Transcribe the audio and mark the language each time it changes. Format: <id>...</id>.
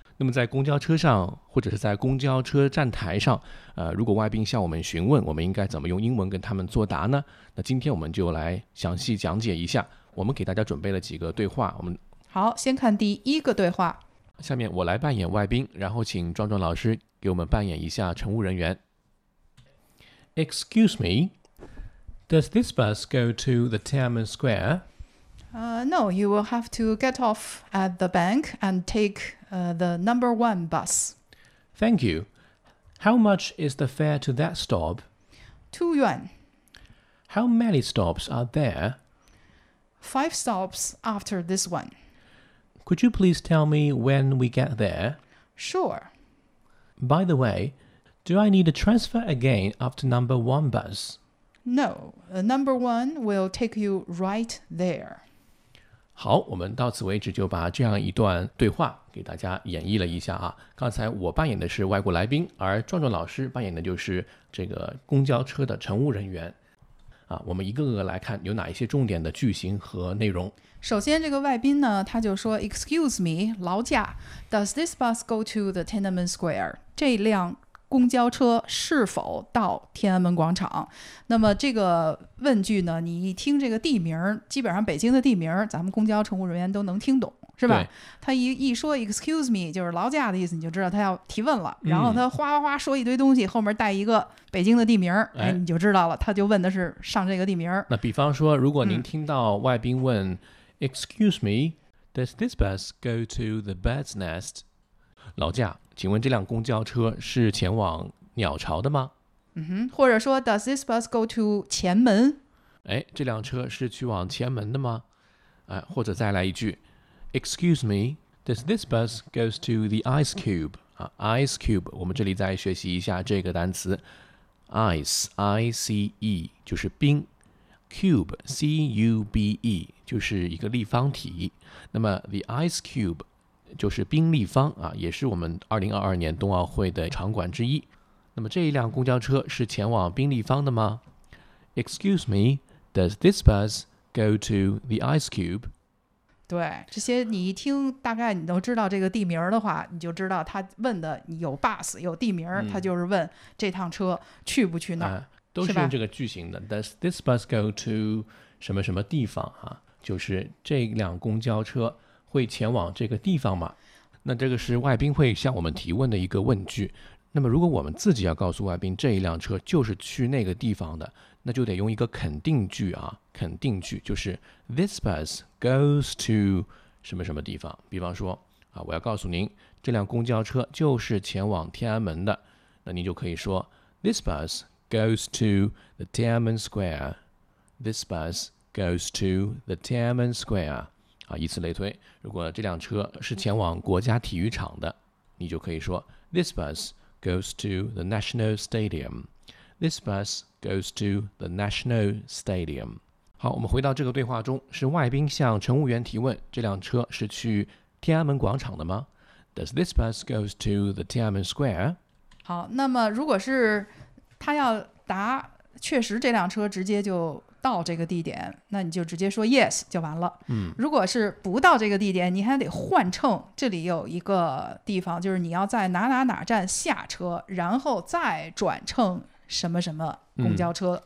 <zh>那么在公交车上或者是在公交车站台上，如果外宾向我们询问我们应该怎么用英文跟他们作答呢？那今天我们就来详细讲解一下。我们给大家准备了几个对话，我们好，先看第一个对话。下面我来扮演外宾，然后请壮壮老师给我们扮演一下乘务人员。</zh> <en>Excuse me, does this bus go to the Tiananmen Square? No, you will have to get off at the bank and take the number one bus. Thank you. How much is the fare to that stop? 2 yuan. How many stops are there? 5 stops after this one. Could you please tell me when we get there? Sure. By the way, do I need a transfer again after number one bus? No, number one will take you right there.</en> <zh>好，我们到此为止就把这样一段对话给大家演绎了一下啊。刚才我扮演的是外国来宾，而壮壮老师扮演的就是这个公交车的乘务人员。我们一个个来看有哪一些重点的句型和内容。首先这个外宾呢，他就说</zh> <en>Excuse me,</en> <zh>劳驾</zh> <en>Does this bus go to the Tiananmen Square?</en> <zh>这辆公交车是否到天安门广场？那么这个问句呢，你一听这个地名，基本上北京的地名咱们公交乘务人员都能听懂，是吧？他 一说</zh> <en>Excuse me,</en> <zh>就是劳驾的意思，你就知道他要提问了。然后他哗哗哗说一堆东西，后面带一个北京的地名，你就知道了，他就问的是上这个地名。那比方说如果您听到外宾问</zh> <en>Excuse me, does this bus go to the Bird's Nest?</en> <zh>劳驾，请问这辆公交车是前往鸟巢的吗？或者说</zh> <en>does this bus go to 前门？</en> <zh>这辆车是去往前门的吗？或者再来一句</zh> <en>Excuse me, does this bus go to the Ice Cube?</en> <zh>Ice Cube, 我们这里再学习一下这个单词 Ice, I-C-E, 就是冰Cube, C-U-B-E, 就是一个立方体。那么 The Ice Cube 就是冰立方啊，也是我们2022年冬奥会的场馆之一。那么这一辆公交车是前往冰立方的吗？</zh> <en>Excuse me, does this bus go to the Ice Cube?</en> <zh>对，这些你一听大概你都知道这个地名的话，你就知道他问的有 bus, 有地名，他就是问这趟车去不去那儿。都是用这个句型的</zh> <en>Does this bus go to</en> <zh>什么什么地方、就是这辆公交车会前往这个地方吗？那这个是外宾会向我们提问的一个问句。那么如果我们自己要告诉外宾这一辆车就是去那个地方的，那就得用一个肯定句啊，肯定句就是</zh> <en>This bus goes to</en> <zh>什么什么地方。比方说、我要告诉您这辆公交车就是前往天安门的，那您就可以说</zh> <en>This bus goes to the Tiananmen Square. This bus goes to the Tiananmen Square.</en> <zh>以此类推，如果这辆车是前往国家体育场的，你就可以说</zh> <en>This bus goes to the National Stadium. This bus goes to the National Stadium.</en> <zh>好，我们回到这个对话中，是外宾向乘务员提问，这辆车是去天安门广场的吗？</zh> <en>Does this bus goes to the Tiananmen Square?</en> <zh>好，那么如果是他要答确实这辆车直接就到这个地点，那你就直接说 yes 就完了。如果是不到这个地点，你还得换乘，这里有一个地方就是你要在哪哪哪站下车，然后再转乘什么什么公交车。</zh>